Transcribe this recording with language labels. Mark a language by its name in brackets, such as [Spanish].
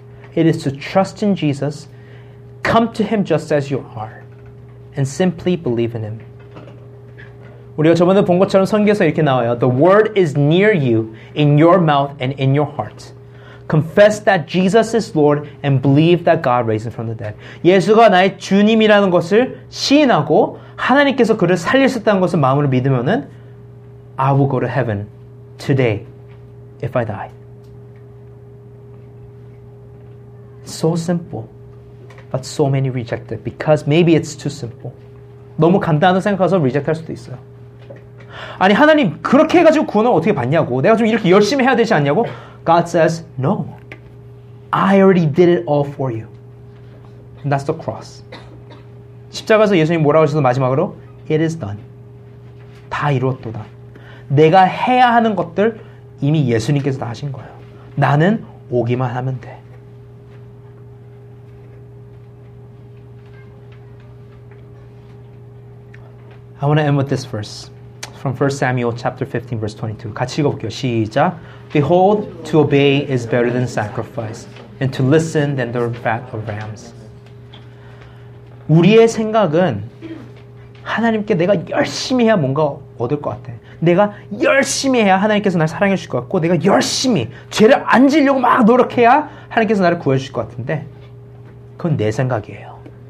[English] It is to trust in Jesus, come to Him just as you are, and simply believe in Him. [Korean] 우리가 저번에 본 것처럼 성경에서 이렇게 나와요. [English] The word is near you, in your mouth and in your heart. Confess that Jesus is Lord and believe that God raised Him from the dead. [Korean] 예수가 나의 주님이라는 것을 시인하고 하나님께서 그를 살리셨다는 것을 마음으로 믿으면은 [English] I will go to heaven today if I die. So simple, but so many reject it because maybe it's too simple. [Korean] 너무 간단하다고 생각해서 reject할 수도 있어요. 아니 하나님 그렇게 해가지고 구원을 어떻게 받냐고 내가 좀 이렇게 열심히 해야 되지 않냐고 [English] God says, no. I already did it all for you. And that's the cross. [Korean] 십자가에서 예수님 뭐라고 하셨어 마지막으로? [English] It is done. [Korean] 다 이루었도다. 내가 해야 하는 것들 이미 예수님께서 다 하신 거예요. 나는 오기만 하면 돼. [English] I want to end with this verse from 1 Samuel chapter 15 verse 22. [Korean] 같이 읽어볼게요. 시작. [English] Behold, to obey is better than sacrifice, and to listen than the fat of rams. [Korean] 우리의 생각은 하나님께 내가 열심히 해야 뭔가 얻을 것 같아. 내가 열심히 해야 하나님께서 날 사랑해 주실 것 같고, 내가 열심히 죄를 안 지려고 막 노력해야 하나님께서 나를 구해 주실 것 같은데, 그건 내 생각이에요.